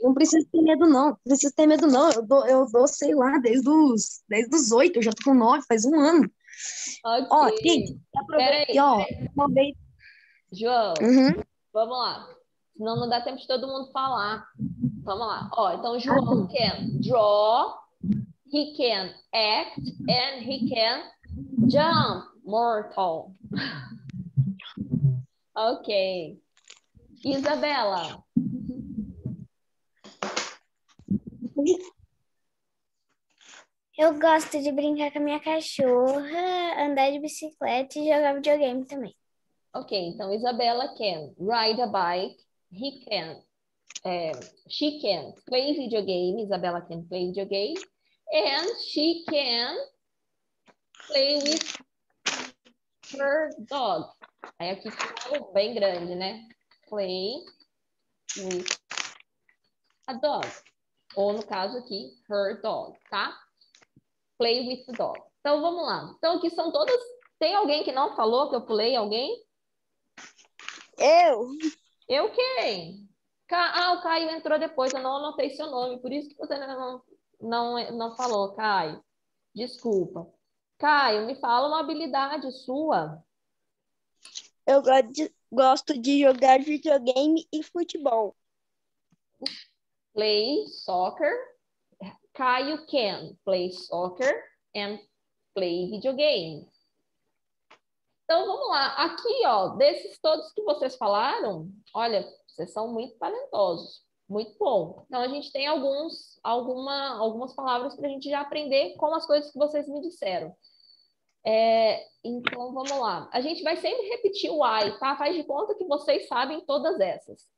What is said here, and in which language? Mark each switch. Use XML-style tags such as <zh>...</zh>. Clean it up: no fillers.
<pt>Não precisa ter medo, não. Eu dou, sei lá, desde os 8, eu já tô com 9, faz um ano. Okay. Ó, gente, aproveita. João, uhum. Vamos lá. Senão não dá tempo de todo mundo falar. Vamos lá. Ó, então,</pt> <en>João can draw, he can act, and he can jump, mortal. Ok. Isabela.</en> <pt>Eu gosto de brincar com a minha cachorra, andar de bicicleta e jogar videogame também. Ok, então,</pt> <en>Isabela can ride a bike. He can, she can play video game. Isabela can play video game. And she can play with her dog.</en> <pt>Aí aqui ficou bem grande, né?</pt> <en>Play with a dog.</en> <pt>Ou no caso aqui,</pt> <en>her dog,</en> <pt>tá?</pt> <en>Play with the dog.</en> <pt>Então vamos lá. Então aqui são todas. Tem alguém que não falou que eu pulei alguém? Eu! Eu quem? O Caio entrou depois, eu não anotei seu nome, por isso que você não falou, Caio. Desculpa. Caio, me fala uma habilidade sua. Eu gosto de jogar videogame e futebol.</pt> <en>Play soccer. Caio can play soccer and play videogame.</en> <pt>Então, vamos lá. Aqui, ó, desses todos que vocês falaram, olha, vocês são muito talentosos. Muito bom. Então, a gente tem algumas palavras para a gente já aprender com as coisas que vocês me disseram. Então, vamos lá. A gente vai sempre repetir o I, tá? Faz de conta que vocês sabem todas essas.</pt>